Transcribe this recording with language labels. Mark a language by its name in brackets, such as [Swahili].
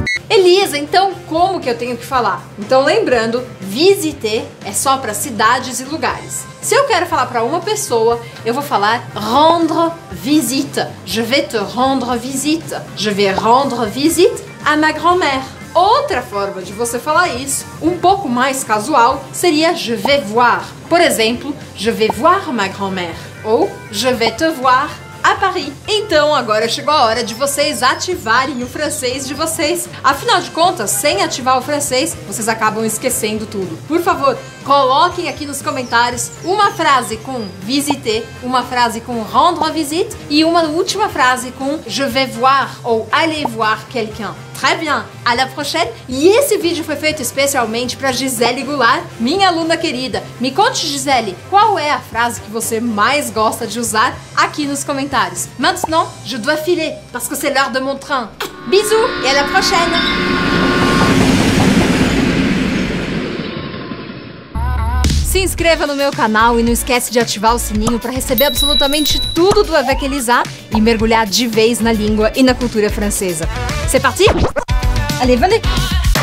[Portuguese] Elisa, então como que eu tenho que falar? Então lembrando, visiter é só para cidades e lugares. Se eu quero falar para uma pessoa, eu vou falar rendre visite. [French] Je vais te rendre visite. Je vais rendre visite à ma grand-mère. [Portuguese] Outra forma de você falar isso, um pouco mais casual, seria [French] je vais voir. [Portuguese] Por exemplo, [French] je vais voir ma grand-mère. Ou je vais te voir à Paris. [Portuguese] Então, agora chegou a hora de vocês ativarem o francês de vocês. Afinal de contas, sem ativar o francês, vocês acabam esquecendo tudo. Por favor, coloquem aqui nos comentários uma frase com visiter, uma frase com rendre visite e uma última frase com [French] je vais voir ou aller voir quelqu'un. Très bien, à la prochaine. [Portuguese] E esse vídeo foi feito especialmente para Gisele Goulart, minha aluna querida. Me conte, Gisele, qual é a frase que você mais gosta de usar aqui nos comentários. [French] Maintenant, je dois filer, parce que c'est l'heure de mon train. Bisous et à la prochaine. [Portuguese] Se inscreva no meu canal e não esquece de ativar o sininho para receber absolutamente tudo do Avec Elisa e mergulhar de vez na língua e na cultura francesa. [French] C'est parti? Allez, venez!